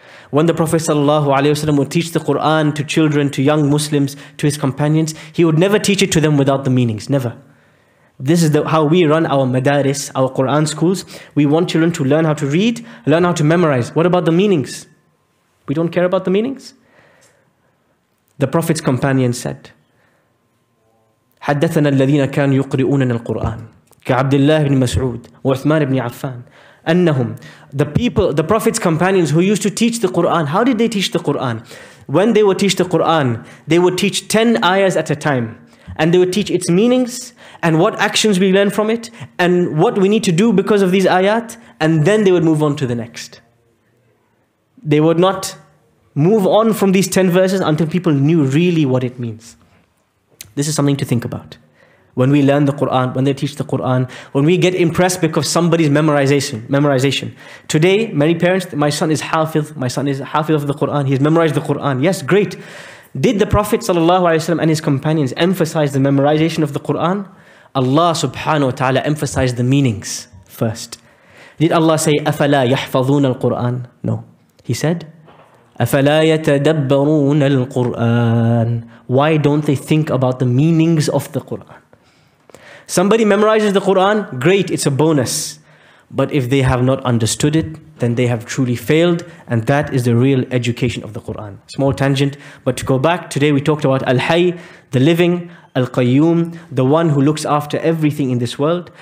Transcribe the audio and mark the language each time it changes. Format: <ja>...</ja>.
<en>When the Prophet sallallahu alaihi wasallam would teach the Quran to children, to young Muslims, to his companions, he would never teach it to them without the meanings, never. This is how we run our madaris, our Quran schools. We want children to learn how to read, learn how to memorize. What about the meanings? We don't care about the meanings? The Prophet's companion said,</en> <ar>حَدَّثَنَا الَّذِينَ كَانُوا يُقْرِئُونَنَا الْقُرْآنَ كَعَبْدِ اللَّهِ بْنِ مَسْعُودِ وَعُثْمَانِ بْنِ عَفَّانِ أَنَّهُمْ.</ar> <en>The people, the Prophet's companions who used to teach the Quran, how did they teach the Quran? When they would teach the Quran, they would teach 10 ayahs at a time. And they would teach its meanings and what actions we learn from it and what we need to do because of these ayat. And then they would move on to the next. They would not move on from these 10 verses until people knew really what it means. This is something to think about. When we learn the Quran, when they teach the Quran, when we get impressed because somebody's memorization. Today, many parents, my son is hafiz of the Quran. He's memorized the Quran. Yes, great. Did the Prophet sallallahu alaihi wasallam and his companions emphasize the memorization of the Quran? Allah subhanahu wa ta'ala emphasized the meanings first. Did Allah say,</en> <ar>أَفَلَا يَحْفَظُونَ الْقُرْآنَ?</ar> <en>No. He said,</en> <ar>أَفَلَا يَتَدَبَّرُونَ الْقُرْآنَ?</ar> <en>Why don't they think about the meanings of the Quran? Somebody memorizes the Quran, great, it's a bonus. But if they have not understood it, then they have truly failed. And that is the real education of the Quran. Small tangent, but to go back, today we talked about Al-Hayy, the living, Al-Qayyum, the one who looks after everything in this world.</en>